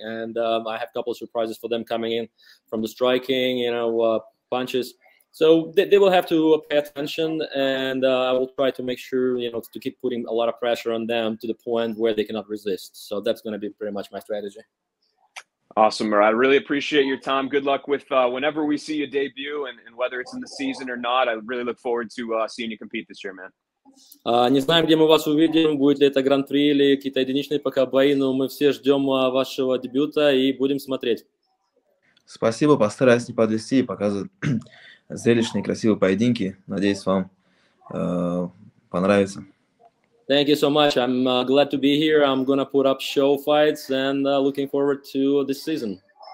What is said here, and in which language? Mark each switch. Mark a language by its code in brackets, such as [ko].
[en] And I have a couple of surprises for them coming in from the striking, punches, so they will have to pay attention, and I will try to make sure to keep putting a lot of pressure on them to the point where they cannot resist. So that's going to be pretty much my strategy. Awesome, Murat. I really appreciate your time. Good luck with whenever we see you debut, and whether it's in the season or not. I really look forward to seeing you compete this year, man. [ru] Не знаем, где мы вас увидим, будет ли это гран-при или какие-то единичные пока бои, но мы все ждем вашего дебюта и будем смотреть. Спасибо, постараюсь не подвести и показывать зрелищные, красивые поединки. Надеюсь, вам понравится. [en] Thank you so much. I'm glad to be here. I'm gonna put up show fights and looking forward to this season.